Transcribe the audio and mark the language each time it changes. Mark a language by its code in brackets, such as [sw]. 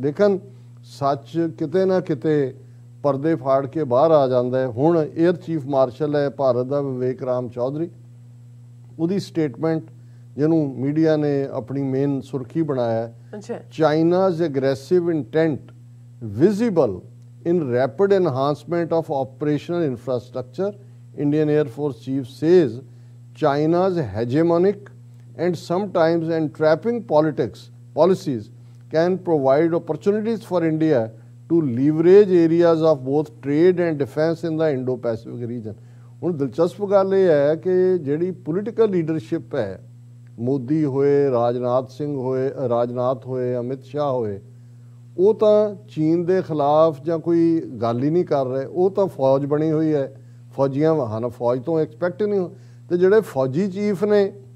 [pa] ਲੇਕਿਨ ਸੱਚ ਕਿਤੇ ਨਾ ਕਿਤੇ ਪਰਦੇ ਫਾੜ ਕੇ ਬਾਹਰ ਆ ਜਾਂਦਾ। ਹੁਣ ਏਅਰ ਚੀਫ ਮਾਰਸ਼ਲ ਹੈ ਭਾਰਤ ਦਾ ਵਿਵੇਕ ਰਾਮ ਚੌਧਰੀ, ਉਹਦੀ ਸਟੇਟਮੈਂਟ ਜਿਹਨੂੰ ਮੀਡੀਆ ਨੇ ਆਪਣੀ ਮੇਨ ਸੁਰਖੀ ਬਣਾਇਆ, [en] China's aggressive intent visible in rapid enhancement of operational infrastructure, Indian Air Force Chief says China's hegemonic and sometimes entrapping policies can provide opportunities for India to leverage areas of both trade and defense in the Indo-Pacific region. [pa] ਹੁਣ ਦਿਲਚਸਪ ਗੱਲ ਇਹ ਹੈ ਕਿ ਜਿਹੜੀ political leadership ਹੈ ਮੋਦੀ ਹੋਏ ਰਾਜਨਾਥ ਹੋਏ ਅਮਿਤ ਸ਼ਾਹ ਹੋਏ ਉਹ ਤਾਂ ਚੀਨ ਦੇ ਖਿਲਾਫ ਜਾਂ ਕੋਈ ਗੱਲ ਹੀ ਨਹੀਂ ਕਰ ਰਹੇ ਉਹ ਤਾਂ ਫੌਜ ਬਣੀ ਹੋਈ ਹੈ ਫੌਜੀਆਂ ਹਨ ਫੌਜ ਤੋਂ ਐਕਸਪੈਕਟ ਨਹੀਂ ਅਤੇ ਜਿਹੜੇ ਫੌਜੀ ਚੀਫ ਨੇ